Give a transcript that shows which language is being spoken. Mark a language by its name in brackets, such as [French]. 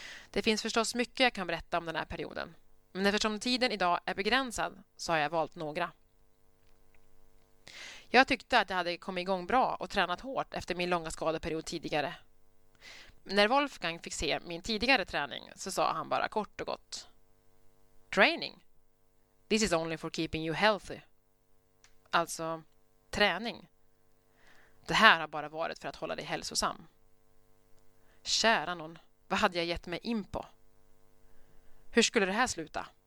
[Swedish] Det finns förstås mycket jag kan berätta om den här perioden. Men eftersom tiden idag är begränsad så har jag valt några. Jag tyckte att jag hade kommit igång bra och tränat hårt efter min långa skadeperiod tidigare. När Wolfgang fick se min tidigare träning så sa han bara kort och gott: [English] "Training? This is only for keeping you healthy." [Swedish] Alltså, träning. Det här har bara varit för att hålla dig hälsosam. Kära någon, vad hade jag gett mig in på? Hur skulle det här sluta?